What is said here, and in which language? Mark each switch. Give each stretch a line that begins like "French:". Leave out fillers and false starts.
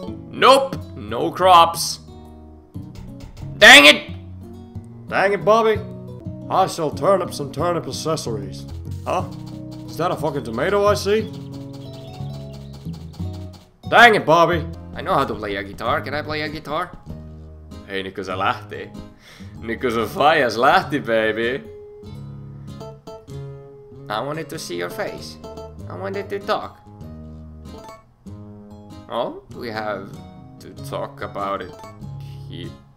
English: Nope, no crops. Dang it, Bobby. I sell turnips and turnip accessories. Huh? Is that a fucking tomato I see? Dang it, Bobby! I know how to play a guitar. Can I play a guitar?
Finnish: Hei, nyt kun se lähti. Nyt kun se faijas lähti, baby!
English: I wanted to see your face. I wanted to talk. Oh, well, we have to talk about it here.